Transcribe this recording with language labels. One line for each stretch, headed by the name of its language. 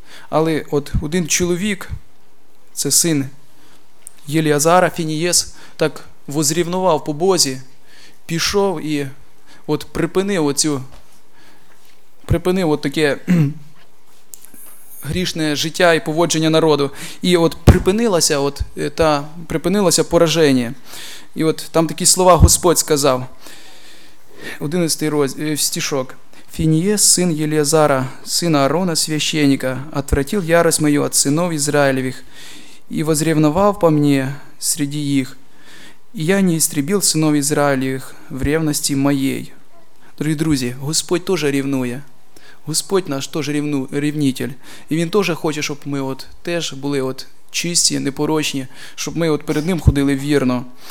Ukrainian: Але от один чоловік, це син Єліазара, Фінієс, так возрівнував по Бозі, пішов і от припинив оцю, припинив от таке грішне життя і поводження народу. І от припинилася, от та припинилося пораження. І от там такі слова Господь сказав. 11-й стишок.
Russian: Фінієс, син Єліазара, сина Аарона, священника, отвратил ярость мою от синов Израилевих и возревновал по мне среди їх.
Ukrainian: І я не істрібив синов Ізраїлевих в ревності моєї. Дорогі друзі, Господь теж рівнує. Господь наш теж рівнітель. І Він теж хоче, щоб ми от теж були от чисті, непорочні, щоб ми от перед Ним ходили вірно.